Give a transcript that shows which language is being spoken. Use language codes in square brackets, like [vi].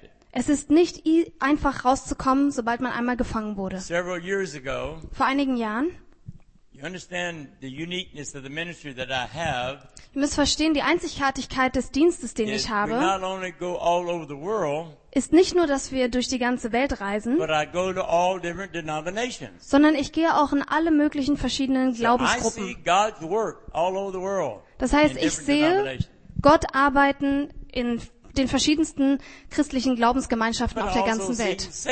[de] Es ist nicht einfach rauszukommen, sobald man einmal gefangen wurde. Vor einigen Jahren. [en] You understand the uniqueness of the ministry that I have. [de] Ihr müsst verstehen die Einzigartigkeit des Dienstes, den ich habe. [en] We not only go all over the world, [de] ist nicht nur, dass wir durch die ganze Welt reisen, [en] but I go to all different denominations. [de] Sondern ich gehe auch in alle möglichen verschiedenen Glaubensgruppen. [en] So I see God's work all over the world. [de] Das heißt, ich sehe Gott arbeiten in den verschiedensten christlichen Glaubensgemeinschaften auf der ganzen Welt.